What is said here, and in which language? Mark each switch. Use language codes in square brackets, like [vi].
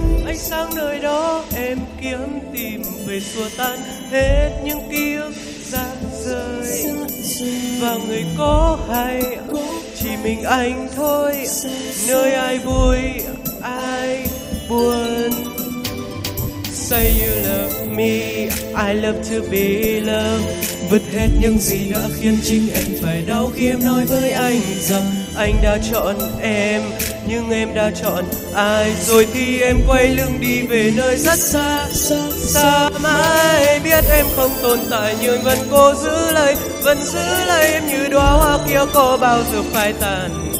[vi] Anh sang nơi đó em kiếm tìm về xua tan hết những ký ức dạng rơi. Và người có hay chỉ mình anh thôi, nơi ai vui ai buồn. [en] Say you love me, I love to be loved. [vi] Vứt hết những gì đã khiến chính em phải đau khi em nói với anh rằng anh đã chọn em, nhưng em đã chọn ai. Rồi thì em quay lưng đi về nơi rất xa, xa mãi. Biết em không tồn tại nhưng vẫn cố giữ lấy, vẫn giữ lấy em như đóa hoa kia có bao giờ phải tàn.